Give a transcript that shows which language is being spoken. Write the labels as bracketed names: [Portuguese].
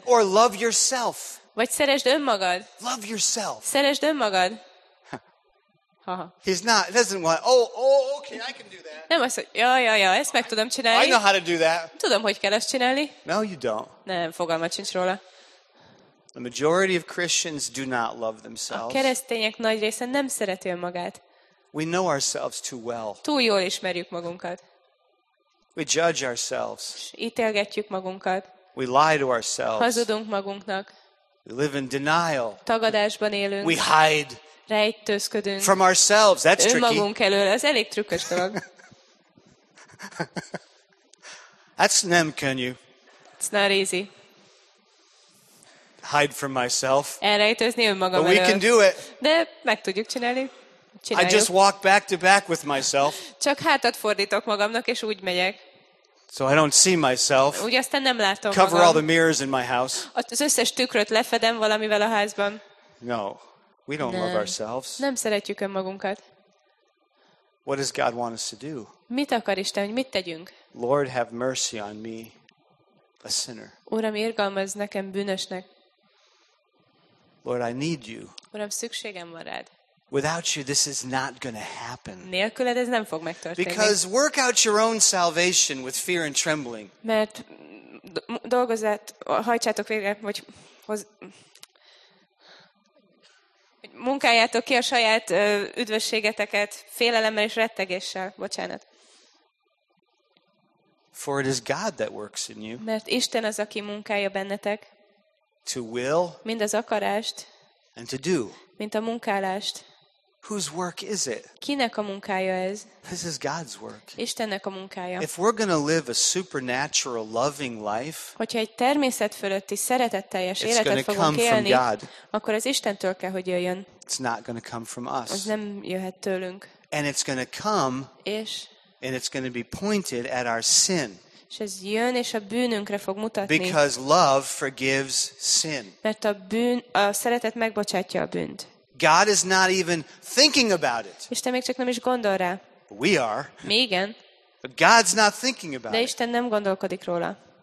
[English] or love yourself, [Hungarian] vagy szeresd önmagad, [English] love yourself, [Hungarian] szeresd önmagad. [English] He's not. Doesn't want. Oh, okay, I can do that. [Hungarian] Nem azt, ja, ezt meg tudom csinálni. [English] I know how to do that. [Hungarian] Tudom, hogy kell ezt csinálni. [English] No, you don't. [Hungarian] Nem, fogalmat sincs róla. [English] The majority of Christians do not love themselves. [Hungarian] A keresztények nagy része nem szereti önmagát. [English] We know ourselves too well. [Hungarian] Túl jól ismerjük magunkat. [English] We judge ourselves. [Hungarian] Ítélgetjük magunkat. [English] We lie to ourselves. [Hungarian] Hazudunk magunknak. [English] We live in denial. [Hungarian] Tagadásban élünk. [English] We hide. [Hungarian] Rejtőzködünk. [English] From ourselves, that's tricky. [Hungarian] Önmagunk elől, ez elég trükkös dolog. [English] That's nem, can you? It's not easy. Hide from myself. [Hungarian] Elrejtőzni önmagam elől. [English] But we can do it. [Hungarian] De meg tudjuk csinálni. Csináljuk. [English] I just walk back to back with myself. [Hungarian] Csak hátat fordítok magamnak, és úgy megyek. [English] So I don't see myself. [Hungarian] Úgy aztán nem látom magam. [English] Cover all the mirrors in my house. [Hungarian] Az összes tükröt lefedem valamivel a házban. [English] No. We don't love ourselves. [Hungarian] Nem szeretjük önmagunkat. [English] What does God want us to do? [Hungarian] Mit akar Isten, hogy mit tegyünk? [English] Lord, have mercy on me, a sinner. [Hungarian] Uram, irgalmazz nekem bűnösnek. [English] Lord, I need you. [Hungarian] Uram, szükségem van rád. [English] Without you, this is not going to happen. [Hungarian] Nélküled ez nem fog megtörténni. [English] Because work out your own salvation with fear and trembling. [Hungarian] Mert dolgozzát, hajtsátok végre, hogy hoz. Munkáljátok ki a saját üdvösségeteket félelemmel és rettegéssel, bocsánat. [English] For it is God that works in you. [Hungarian] Mert Isten az, aki munkálja bennetek. [English] To will. [Hungarian] Mind az akarást. [English] And to do. [Hungarian] Mint a munkálást. [English] Whose work is it? [Hungarian] Kinek a munkája ez? [English] This is God's work. [Hungarian] Istennek a munkája. [English] If we're going to live a supernatural loving life, [Hungarian] hogyha egy természet fölötti szeretetteljes életet fogunk élni, akkor az Istentől kell, hogy jöjjön. [English] It's not going to come from us. [Hungarian] Az nem jöhet tőlünk. [English] And it's going to come. [Hungarian] És. [English] And it's going to be pointed at our sin. [Hungarian] És ez jön, és a bűnünkre fog mutatni. [English] Because love forgives sin. [Hungarian] Mert a bűn, a szeretet megbocsátja a bűnt. [English] God is not even thinking about it. [Hungarian] Isten még csak nem is gondol rá. [English] We are. [Hungarian] Mi igen. [English] But God's not thinking about it. [Hungarian] De Isten nem gondolkodik róla.